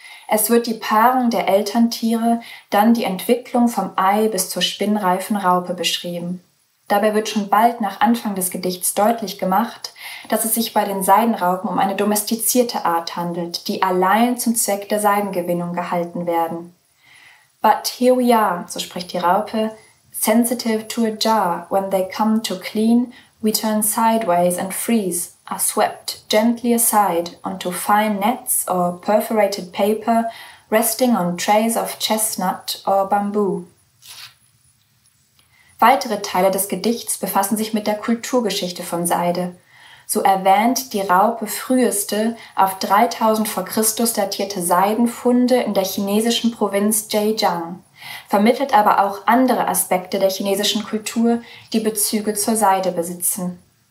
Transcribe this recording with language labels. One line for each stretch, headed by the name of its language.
German: Es wird die Paarung der Elterntiere, dann die Entwicklung vom Ei bis zur spinnreifen Raupe beschrieben. Dabei wird schon bald nach Anfang des Gedichts deutlich gemacht, dass es sich bei den Seidenraupen um eine domestizierte Art handelt, die allein zum Zweck der Seidengewinnung gehalten werden.
English: But here we are,
German: so spricht die Raupe,
English: sensitive to a jar, when they come to clean, we turn sideways and freeze, are swept gently aside onto fine nets or perforated paper, resting on trays of chestnut or bamboo.
German: Weitere Teile des Gedichts befassen sich mit der Kulturgeschichte von Seide. So erwähnt die Raupe früheste, auf 3000 vor Christus datierte Seidenfunde in der chinesischen Provinz Zhejiang, vermittelt aber auch andere Aspekte der chinesischen Kultur, die Bezüge zur Seide besitzen.